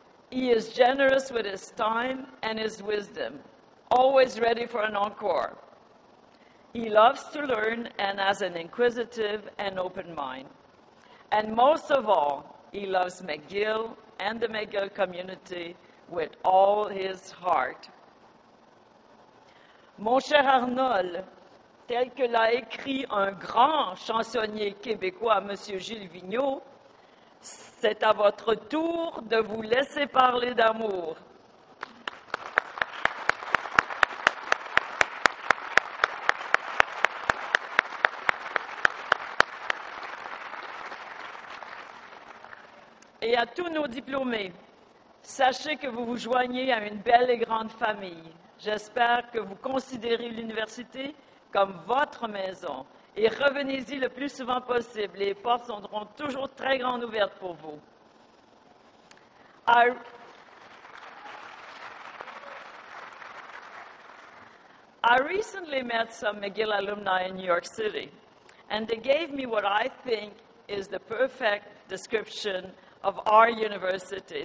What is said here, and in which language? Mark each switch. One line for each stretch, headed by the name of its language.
English: He is generous with his time and his wisdom, always ready for an encore. He loves to learn and has an inquisitive and open mind. And most of all, he loves McGill and the McGill community with all his heart.
French: Mon cher Arnold, tel que l'a écrit un grand chansonnier québécois, M. Gilles Vigneault, c'est à votre tour de vous laisser parler d'amour. Et à tous nos diplômés, sachez que vous vous joignez à une belle et grande famille. J'espère que vous considérez l'université comme votre maison et revenez-y le plus souvent possible. Les portes seront toujours très grandes ouvertes pour vous.
English: I recently met some McGill alumni in New York City, and they gave me what I think is the perfect description of our university.